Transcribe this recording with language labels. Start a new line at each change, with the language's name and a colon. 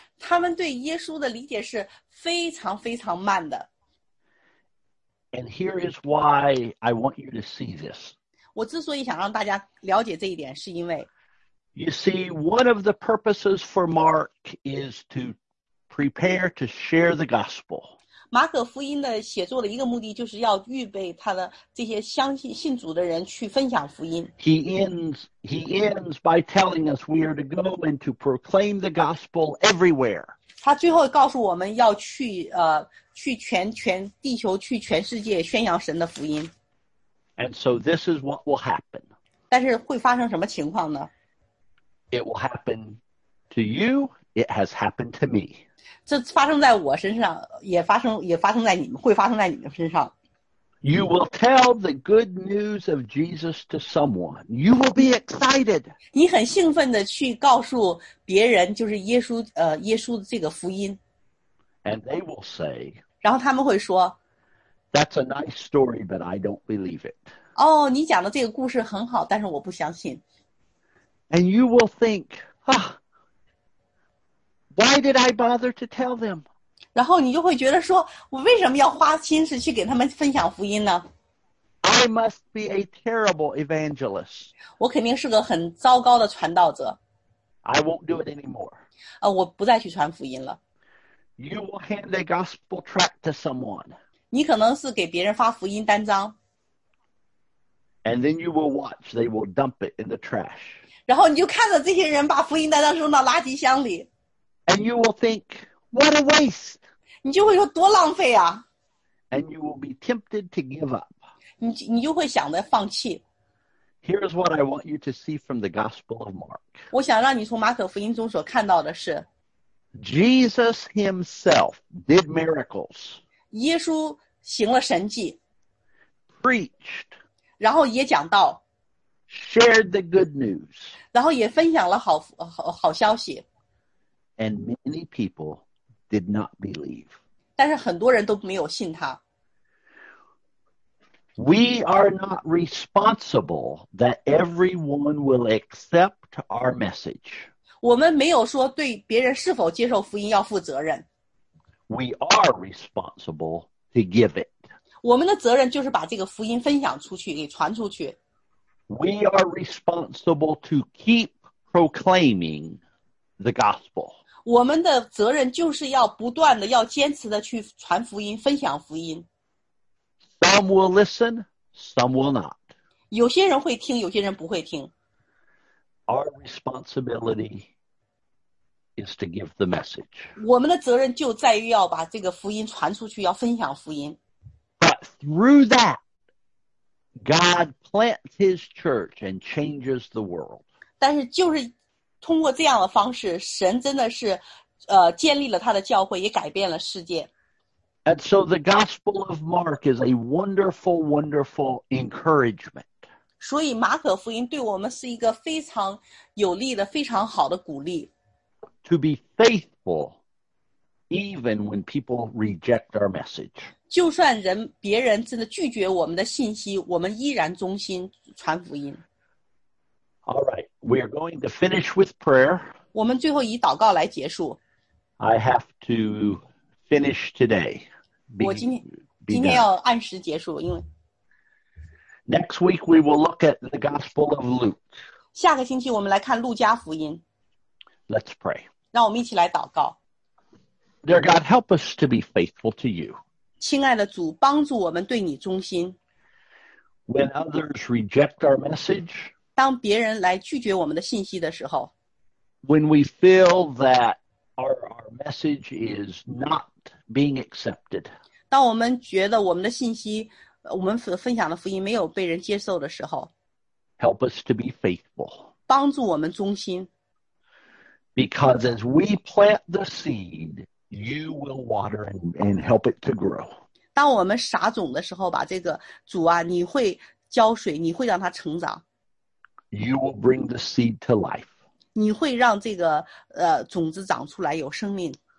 Chinese: 他们对耶稣的理解是非常非常慢的。
English: And here is why I want you to see this.
Chinese: 我之所以想让大家了解这一点，是因为
English: You see, one of the purposes for Mark is to prepare to share the gospel.
Chinese: 马可福音的写作的一个目的就是要预备他的这些相信信主的人去分享福音。
English: He ends by telling us we are to go and to proclaim the gospel everywhere.
Chinese: 他最后告诉我们要去去全地球去全世界宣扬神的福音。
English: And so this is what will happen.
Chinese: 但是会发生什么情况呢？
English: It will happen to you. It has happened to me.
Chinese: 这发生在我身上，也发生在你们，会发生在你们身上。
English: You will tell the good news of Jesus to someone. You will be excited.
Chinese: 你很兴奋的去告诉别人，就是耶稣的这个福音。
English: And they will say.
Chinese: 然后他们会说。
English: That's a nice story, but I don't believe it.
Chinese: 哦，你讲的这个故事很好，但是我不相信。
English: And you will think, why did I bother to tell them?
Chinese: 然后你就会觉得说，我为什么要花心思去给他们分享福音呢？
English: I must be a terrible evangelist.
Chinese: 我肯定是个很糟糕的传道者。
English: I won't do it anymore.
Chinese: 我不再去传福音了。
English: You will hand a gospel tract to someone.
Chinese: 你可能是给别人发福音单张。
English: And then you will watch, they will dump it in the trash.
Chinese: 然后你就看着这些人把福音单张扔到垃圾箱里。
English: And you will think, what a waste.
Chinese: 你就会说多浪费啊。
English: And you will be tempted to give up.
Chinese: 你就会想着放弃。
English: Here is what I want you to see from the Gospel of Mark.
Chinese: 我想让你从马可福音中所看到的是
English: Jesus himself did miracles.
Chinese: 耶稣行了神迹。
English: Preached.
Chinese: 然后也讲道。
English: Shared the good news.
Chinese: 然后也分享了 好消息。
English: And many people did not believe.
Chinese: 但是很多人都没有信他。
English: We are not responsible that everyone will accept our message.
Chinese: 我们没有说对别人是否接受福音要负责任。
English: We are responsible to give it.
Chinese: 我们的责任就是把这个福音分享出去，给传出去。
English: We are responsible to keep proclaiming the gospel.
Chinese: 我们的责任就是要不断的，要坚持的去传福音，分享福音。
English: Some will listen, some will not.
Chinese: 有些人会听，有些人不会听。
English: Our responsibility is to give the message.
Chinese: 我们的责任就在于要把这个福音传出去，要分享福音。
English: But through that, God plants his church and changes the world.
Chinese: 但是就是通过这样的方式，神真的是建立了他的教会，也改变了世界。
English: And so the Gospel of Mark is a wonderful, wonderful encouragement.
Chinese: 所以马可福音对我们是一个非常有力的，非常好的鼓励。
English: To be faithful, even when people reject our message.
Chinese: 就算别人真的拒绝我们的信息，我们依然忠心传福音。
English: All right, we are going to finish with prayer.
Chinese: 我们最后以祷告来结束。
English: I have to... Finish today.
Chinese: 我今天要按时结束，因为
English: next week we will look at the Gospel of Luke.
Chinese: 下个星期我们来看路加福音。
English: Let's pray.
Chinese: 让我们一起来祷告。
English: Dear God, help us to be faithful to you.
Chinese: 亲爱的主，帮助我们对你忠心。
English: When others reject our message,
Chinese: 当别人来拒绝我们的信息的时候
English: ，when we feel that. Our message is not being accepted.
Chinese: 当我们觉得我们的信息，我们所分享的福音没有被人接受的时候
English: ，Help us to be faithful.
Chinese: 帮助我们忠心。
English: Because as we plant the seed, you will water and help it to grow.
Chinese: 当我们撒种的时候，把这个主啊，你会浇水，你会让它成长。
English: You will bring the seed to life.
Chinese: 你会让这个种子长出来有生命。